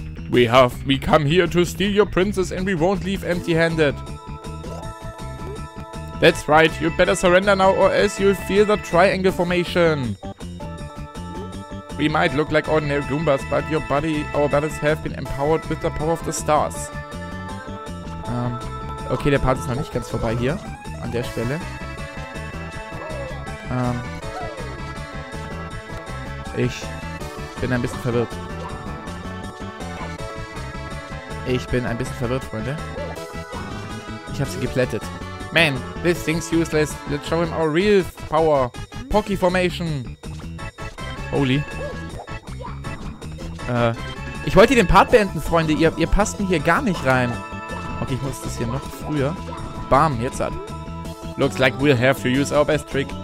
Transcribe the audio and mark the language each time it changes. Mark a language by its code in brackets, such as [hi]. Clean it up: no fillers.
[en] We come here to steal your princess and we won't leave empty-handed. That's right, you better surrender now or else you'll feel the triangle formation. We might look like ordinary Goombas, but your body, our bodies have been empowered with the power of the stars. [de] Okay, der Part ist noch nicht ganz vorbei hier, an der Stelle. Ich bin ein bisschen verwirrt. Ich bin ein bisschen verwirrt, Freunde. Ich habe sie geplättet. [en] Man, this thing's useless. Let's show him our real power. Pocky Formation. Holy. [de] Ich wollte den Part beenden, Freunde. Ihr passt mir hier gar nicht rein. Okay, ich muss das hier noch früher. Bam, jetzt hat. [en] Looks like we'll have to use our best trick.